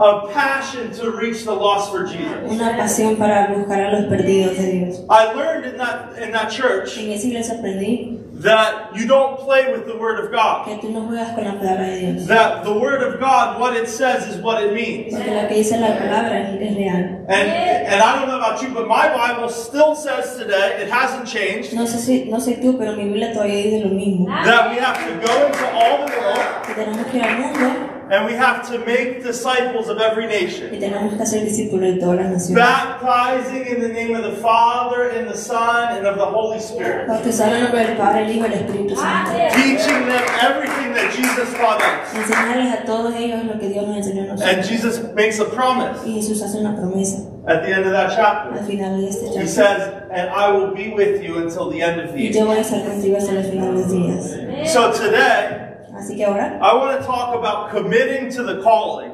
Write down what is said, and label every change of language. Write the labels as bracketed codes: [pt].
[en] a passion to reach the lost for Jesus. [es] Una pasión para buscar a los perdidos de Dios. [en] I learned in that church [es] en esa iglesia aprendí [en] that you don't play with the word of God. [es] Que tú no juegas con la palabra de Dios. [en] That the word of God, what it says is what it means. [es] Porque lo que dice la palabra es real. [en] And I don't know about you, but my Bible still says today, it hasn't changed, [es] no sé tú, pero mi Biblia todavía dice lo mismo. [en] That we have to go into all the world. [es] Que tenemos que ir al mundo. [en] And we have to make disciples of every nation. [es] Y tenemos que hacer discípulos de todas las naciones. [en] Baptizing in the name of the Father and the Son and of the Holy Spirit. [es] Bautizando en nombre del Padre, el Hijo y el Espíritu Santo. [en] Teaching them everything that Jesus taught us. [es] Enseñarles a todos ellos lo que Dios nos enseñó a nosotros. [en] And Jesus makes a promise. [es] Y Jesús hace una promesa. [en] At the end of that chapter. [es] Al final de este [en] chapter. He says, "And I will be with you until the end of the age." [es] Y yo voy a estar contigo hasta el final de los días. [en] So today, [es] así que ahora, [en] I want to talk about committing to the calling.